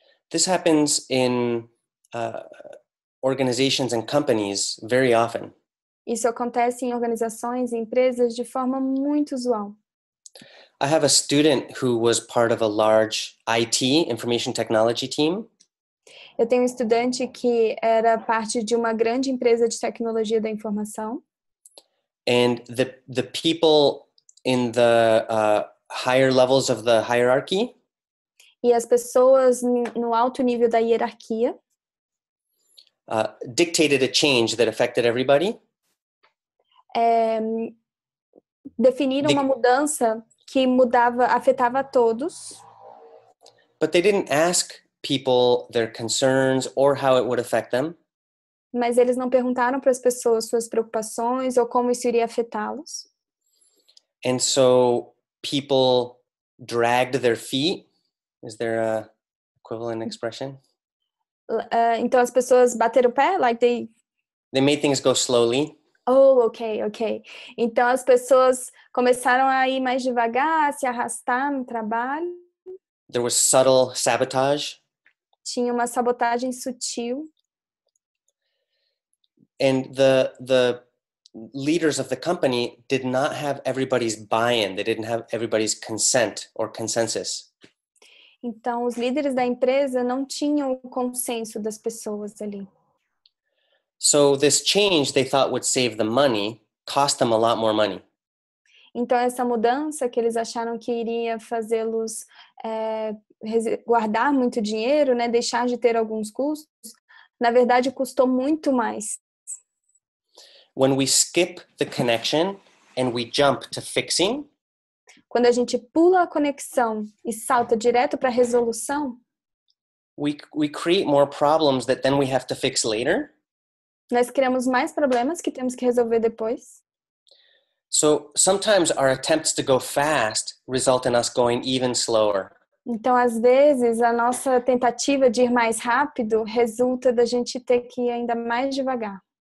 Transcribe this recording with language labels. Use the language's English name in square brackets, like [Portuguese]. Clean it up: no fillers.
[English] This happens in organizations and companies very often. [Portuguese] Isso acontece em organizações e empresas de forma muito usual. [English] I have a student who was part of a large IT, information technology team. [Portuguese] Eu tenho um estudante que era parte de uma grande empresa de tecnologia da informação. [English] And the people in the higher levels of the hierarchy. [Portuguese] E as pessoas no alto nível da hierarquia. [English] Dictated a change that affected everybody. [Portuguese] Definiram uma mudança que mudava, afetava a todos. [English] But they didn't ask people their concerns or how it would affect them. [Portuguese] Mas eles não perguntaram para as pessoas suas preocupações ou como isso iria afetá-los. [English] And so people dragged their feet. Is there a equivalent expression? [Portuguese] Então as pessoas bateram o pé, [English] like they... They made things go slowly. Oh, okay, okay. [Portuguese] Então as pessoas começaram a ir mais devagar, a se arrastar no trabalho. [English] There was subtle sabotage. [Portuguese] Tinha uma sabotagem sutil. [English] And the leaders of the company did not have everybody's buy-in. They didn't have everybody's consent or consensus. [Portuguese] Então, os líderes da empresa não tinham o consenso das pessoas ali. [English] So this change they thought would save them money cost them a lot more money. [Portuguese] Então, essa mudança que eles acharam que iria fazê-los guardar muito dinheiro, né, deixar de ter alguns custos, na verdade, custou muito mais. [English] When we skip the connection and we jump to fixing, [Portuguese] quando a gente pula a conexão e salta direto para a resolução, [English] we create more problems that then we have to fix later. [Portuguese] Nós criamos mais problemas que temos que resolver depois. [English] So sometimes our attempts to go fast result in us going even slower. [Portuguese] Então às vezes a nossa tentativa de ir mais rápido resulta da gente ter que ir ainda mais devagar.